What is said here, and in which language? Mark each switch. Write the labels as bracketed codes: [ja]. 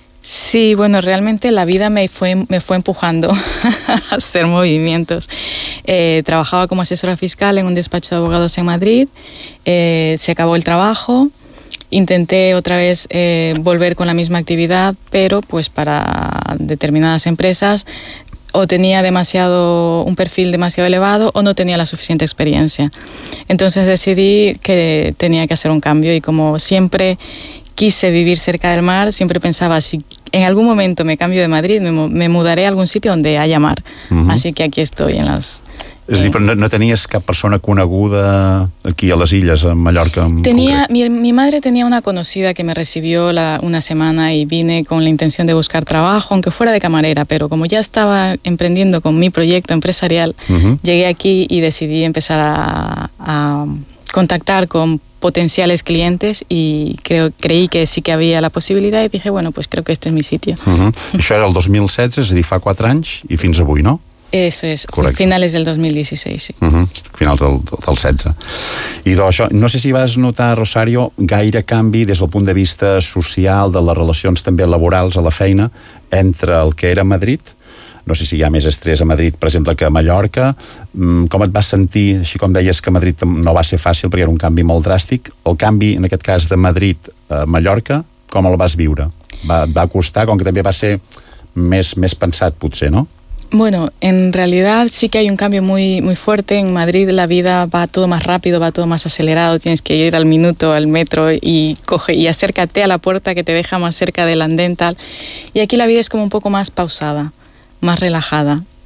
[es] Sí, bueno, realmente la vida me fue empujando a hacer movimientos. Trabajaba como asesora fiscal en un despacho de abogados en Madrid. Se acabó el trabajo. Intenté otra vez volver con la misma actividad, pero pues para determinadas empresas o tenía un perfil demasiado elevado o no tenía la suficiente experiencia. Entonces decidí que tenía que hacer un cambio y como siempre quise vivir cerca del mar, siempre pensaba si en algún momento me cambio de Madrid me mudaré a algún sitio donde haya mar. Uh-huh. Así que aquí estoy en las [ca] És a dir, però no tenies cap persona coneguda aquí a les illes, a Mallorca? [es] Mi madre tenía una conocida que me recibió una semana y vine con la intención de buscar trabajo, aunque fuera de camarera, pero como ya estaba emprendiendo con mi proyecto empresarial, llegué aquí y decidí empezar a contactar con potenciales clientes y creí que sí que había la posibilidad y dije, bueno, pues creo que este es mi sitio. [ca] Això era el 2016, és a dir, fa 4 anys i fins avui, no? [es] Eso es, correcte. Finales del 2016, sí. [ca] Finals del 16. Idò, això, no sé si vas notar, Rosario, gaire canvi des del punt de vista social, de les relacions també laborals a la feina, entre el que era Madrid, no sé si hi ha més estrès a Madrid, per exemple, que a Mallorca, com et vas sentir, així com deies que Madrid no va ser fàcil perquè era un canvi molt dràstic, el canvi, en aquest cas, de Madrid a Mallorca, com el vas viure? Va costar, com que també va ser més pensat, potser, no? [es] Bueno, en realidad sí que hay un cambio muy, muy fuerte. En Madrid la vida va todo más rápido, va todo más acelerado. Tienes que ir al minuto, al metro y acércate a la puerta que te deja más cerca del andén tal. Y aquí la vida es como un poco más pausada, más relajada.